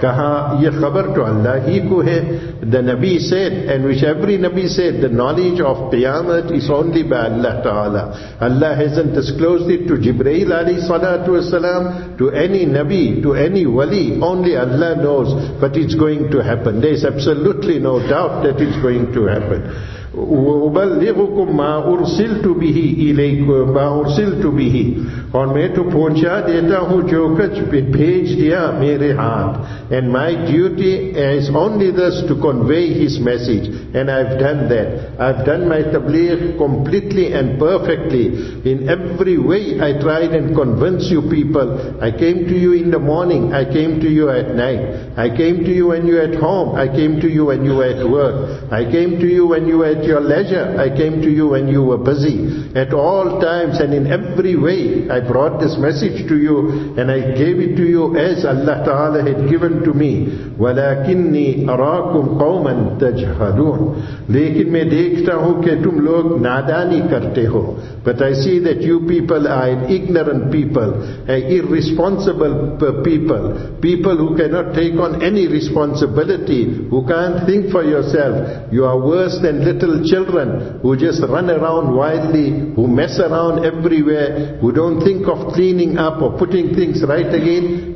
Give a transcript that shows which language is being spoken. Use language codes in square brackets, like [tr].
[ur] کہا یہ خبر تو اللہ ہی کو ہے. [en] The Nabi said, and which every Nabi said, the knowledge of Qiyamah is only by Allah Ta'ala. Allah hasn't disclosed it to Jibreel alayhi salatu wasalam, to any Nabi, to any Wali. Only Allah knows, but it's going to happen. There's absolutely no doubt that it's going to happen. [ar] وَأُبَلِّغُكُمْ مَا أُرْسِلْتُ بِهِ إِلَيْكُمْ مَا أُرْسِلْتُ بِهِ. [ur] اور میں تو پہنچا دیتا ہوں جو کچھ بھیج دیا میرے ہاتھ. [en] And my duty is only this, to convey his message. And I've done that. I've done my tabligh completely and perfectly. In every way I tried and convinced you people. I came to you in the morning. I came to you at night. I came to you when you were at home. I came to you when you were at work. I came to you when you were at your leisure. I came to you when you were busy. At all times and in every way, I brought this message to you and I gave it to you as Allah Ta'ala had given to me. [ar] وَلَكِنِّي أَرَاكُمْ قَوْمًا تَجْهَدُونَ. [ur] لیکن میں دیکھتا ہوں کہ تم لوگ نادانی کرتے ہو. [en] But I see that you people are an ignorant people, an irresponsible people, people who cannot take on any responsibility, who can't think for yourself. You are worse than little children who just run around wildly, who mess around everywhere, who don't think of cleaning up or putting things right again.